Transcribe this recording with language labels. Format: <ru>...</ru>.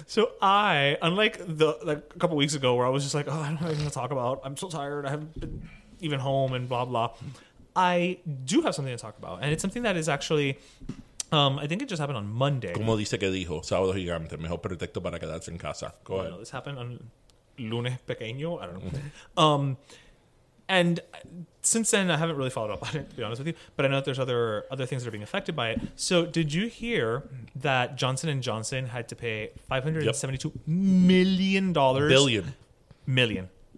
<en>So I, unlike the like a couple weeks ago where I was just like, oh, I don't have anything to talk about. I'm so tired. I haven't been even home and blah, blah. I do have something to talk about. And it's something that is actually, I think it just happened on Monday.</en> <es>Como dice que dijo, sábado gigante, mejor pretexto para quedarse en casa.</es> <en>Go ahead. This happened on</en> <es>lunes pequeño.</es> <en>I don't know. And since then, I haven't really followed up on it, to be honest with you. But I know that there's other things that are being affected by it. So did you hear that Johnson & Johnson had to pay $572 million? Billion. Million.</en>